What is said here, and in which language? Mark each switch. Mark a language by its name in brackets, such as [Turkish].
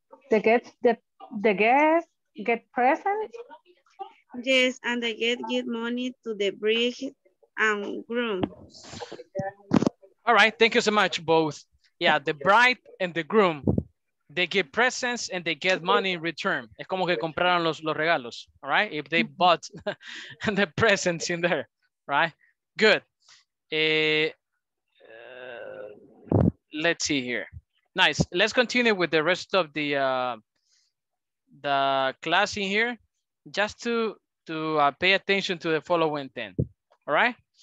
[English] The guests get present? Yes, and they give money to the breed and groom. All right, thank you so much, both. Yeah, the bride and the groom, They give presents and they get money in return. [Spanish] Es como que compraron los regalos, [English] all right? If they bought the presents in there, right? Good. Let's see here. Nice. Let's continue with the rest of the class in here, just to pay attention to the following thing, all right?